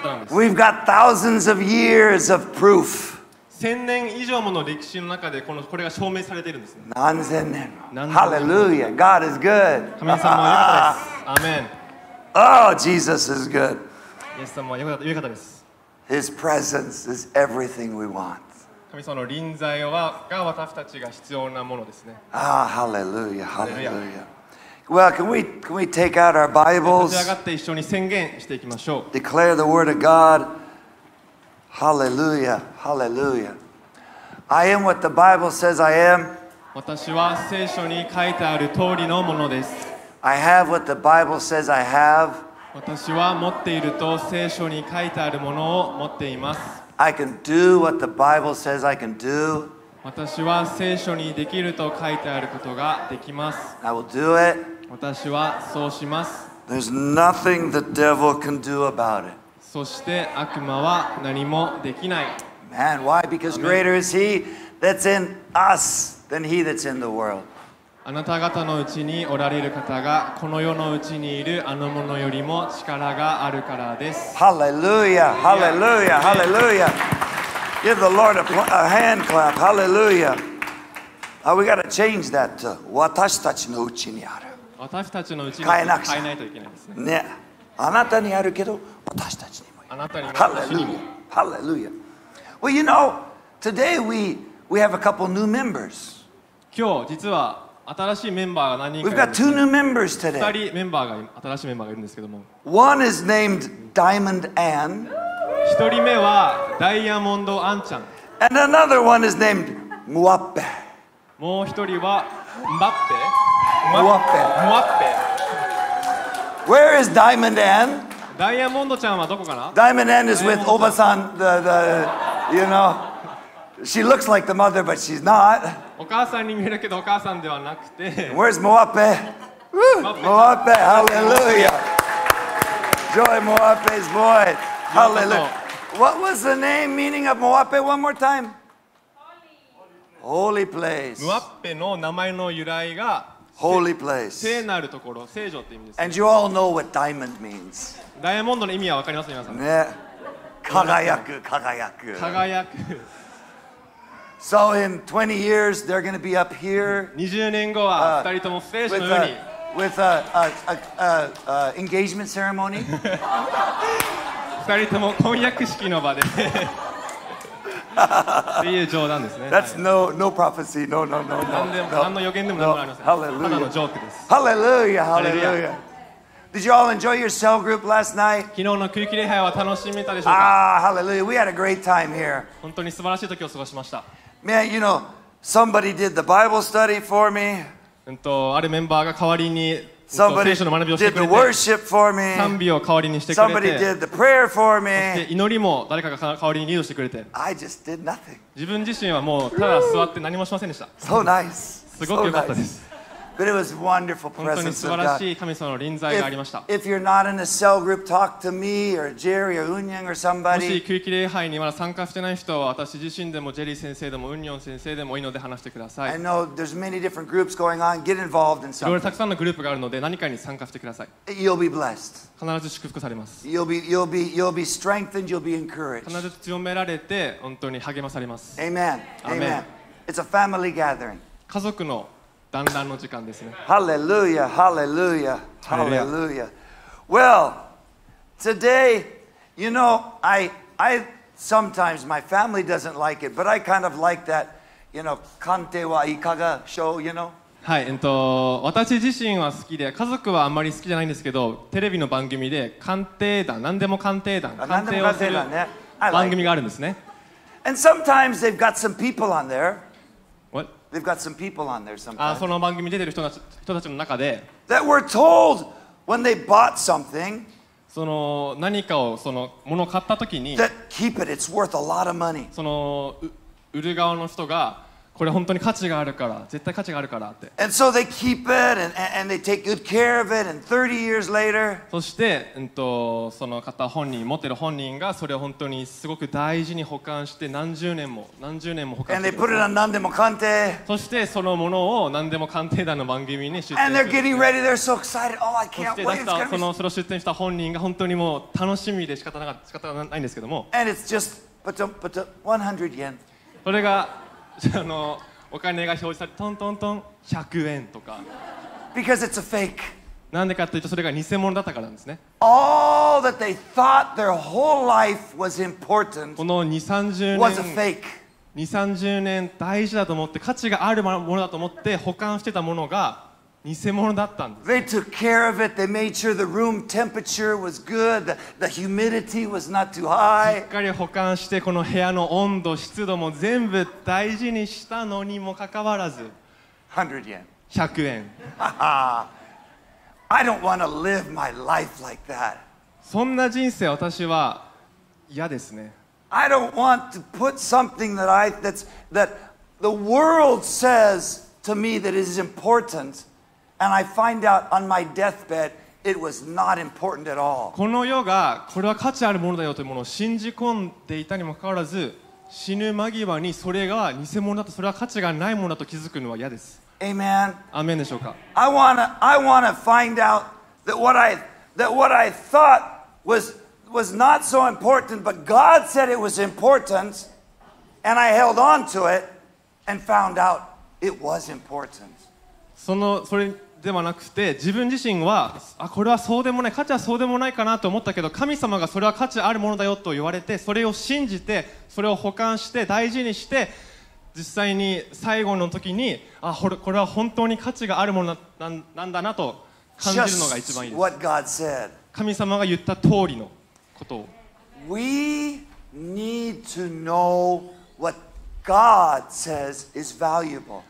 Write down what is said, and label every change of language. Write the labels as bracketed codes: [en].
[en] We've got thousands of years of proof. [ja] 1000年以上もの歴史の中でこれが証明されているんです。何千年。 [en] Hallelujah. God is good. [ja] 神様は良かったです。 [en] Amen. Oh, Jesus is good. [ja] イエス様は良かったです。 [en] His presence is everything we want. [ja] 神様の臨在が私たちが必要なものですね。 [en] Ah, hallelujah, hallelujah. Well, can we take out our Bibles? [ja] 立ち上がって一緒に宣言していきましょう。 [en] Declare the word of God. Hallelujah, hallelujah. I am what the Bible says I am. [ja] 私は聖書に書いてある通りのものです。 [en] I have what the Bible says I have. [ja] 私は持っていると聖書に書いてあるものを持っています。 [en] I can do what the Bible says I can do. [ja] 私は聖書にできると書いてあることができます。 [en] I will do it. [ja] 私はそうします。 [en] There's nothing the devil can do about it. [ja] そして悪魔は何もできない。 [en] Man, why? Because greater is he that's in us than he that's in the world. [ja] あなた方のうちにおられる方がこの世のうちにいるあの者よりも力があるからです。 [en] Hallelujah! Hallelujah! Hallelujah! Give the Lord a hand clap. Hallelujah! Oh, we gotta change that to [ja] 私たちのうちにある。私たちのうちに変えないといけないですね。ね、あなたにあるけど私たちにもある。あなたにも。 [en] Hallelujah! Hallelujah! Well, you know, today we have a couple new members. [ja] 今日実は新しいメンバーが何人か。 [en] We've got two new members today. [ja] 2人メンバーが新しいメンバーがいるんですけども。 [en] One is named Diamond Ann. [ja] 1人目はダイヤモンドアンちゃん。 [en] And another one is named Mwappe. [ja] もう1人はMwappe. [en] Mwappe. Mwappe. Where is Diamond Ann? [ja] ダイヤモンドちゃんはどこかな [en] ？Diamond Ann is with Oba-san. The you know. She looks like the mother, but she's not. [ja] お母さんに見えるけどお母さんではなくて。 [en] Where's Mwappe? Mwappe, hallelujah. Joy Mwappe's voice. Hallelujah. What was the name meaning of Mwappe one more time? Holy place. [ja] Mwappe の名前の由来が [en] Holy place. [ja] 聖なるところ、聖所って意味です。 [en] And you all know what diamond means. [ja] ダイヤモンドの意味はわかります皆さん。ね。輝く、輝く。輝く。 [en] So in 20 years, they're going to be up here [ja] 20年後は2人とも聖書の上に [en] with an engagement ceremony [ja] 2人とも婚約式の場でっていう冗談ですね [en] That's no prophecy, no [ja] 何の予言でも何もありませんただのジョークです [en] Hallelujah, hallelujah Did you all enjoy your cell group last night? [ja] 昨日の空気礼拝は楽しめたでしょうか [en] Ah, hallelujah, we had a great time here [ja] 本当に素晴らしい時を過ごしました [en] Man, you know, somebody did the Bible study for me. [ja] あるメンバーが代わりに [en] Somebody did the worship for me. [ja] 賛美を代わりにしてくれて [en] Somebody did the prayer for me. [ja] そして祈りも誰かが代わりにリードしてくれて [en] I just did nothing. [ja] 自分自身はもうただ座って何もしませんでした。 [en] So nice. [ja] すごく良かったです。 [en] But it was wonderful presence of God. [ja] 本当に素晴らしい神様の臨在がありました。 [en] If you're not in a cell group, talk to me or Jerry or Unyoung or somebody. [ja] もし空気礼拝にまだ参加してない人は、私自身でもジェリー先生でもウンニョン先生でもいいので話してください。 [en] I know there's many different groups going on. Get involved in something. [ja] いろいろたくさんのグループがあるので、何かに参加してください。 [en] You'll be blessed. [ja] 必ず祝福されます。 [en] You'll be strengthened. You'll be encouraged. [ja] 必ず強められて、本当に励まされます。 [en] Amen. Amen. It's a family gathering. [ja] 家族のだんだんの時間ですね。 [en] Hallelujah, hallelujah, hallelujah. Well, today, you know, I Sometimes my family doesn't like it, but I kind of like that, you know, [ja] 鑑定はいかがしょう、 [en] you know? [ja] はい、私自身は好きで、家族はあんまり好きじゃないんですけど、テレビの番組で鑑定団、何でも鑑定団、鑑定をする番組があるんですね。 [en] And sometimes they've got some people on there. What? They've got some people on there sometimes. [ja] その番組に出てる人たちの中で、 [en] That were told when they bought something, [ja] その何かをその物を買った時に、 [en] That keep it, it's worth a lot of money. [ja] その売る側の人が、これ本当に価値があるから、絶対価値があるからって。 [en] And so they keep it and they take good care of it and 30 years later. [ja] そして、その方本人、持ってる本人がそれを本当にすごく大事に保管して何十年も保管して。 [en] And they put it on 何でも鑑定。 [ja] そしてそのものを何でも鑑定団の番組に出展して。 [en] And they're getting ready, they're so excited. Oh, I can't wait. [ja] そして、それを出展した本人が本当にもう楽しみで仕方がないんですけども。 [en] And it's just but 100 yen. [ja] それがお金が表示されてトントントン100円とか [en] Because it's a fake. [ja] なんでかというとそれが偽物だったからなんですね [en] All that they thought their whole life was important [ja] この2、30年大事だと思って価値があるものだと思って保管してたものが偽物だったんです [en] They took care of it They made sure the room temperature was good The humidity was not too high [ja] しっかり保管してこの部屋の温度湿度も全部大事にしたのにもかかわらず 100円 [en] I don't want to live my life like that [ja] そんな人生私は嫌ですね [en] I don't want to put something that the world says to me that it is importantAnd I find out on my deathbed, it was not important at all. [ja] この世がこれは価値あるものだよというものを信じ込んでいたにもかかわらず、死ぬ間際にそれが偽物だと、それは価値がないものだと気づくのは嫌です。 [en] Amen. [ja] アーメンでしょうか。 [en] I wanna find out that what I thought was not so important, but God said it was important, and I held on to it and found out it was important. [ja] それではなくて自分自身はあこれはそうでもない価値はそうでもないかなと思ったけど神様がそれは価値あるものだよと言われてそれを信じてそれを保管して大事にして実際に最後の時にあこれは本当に価値があるものなんだなと感じるのが一番いいです [en] What God said. [ja] 神様が言った通りのことを [en] We need to know whatGod says is valuable.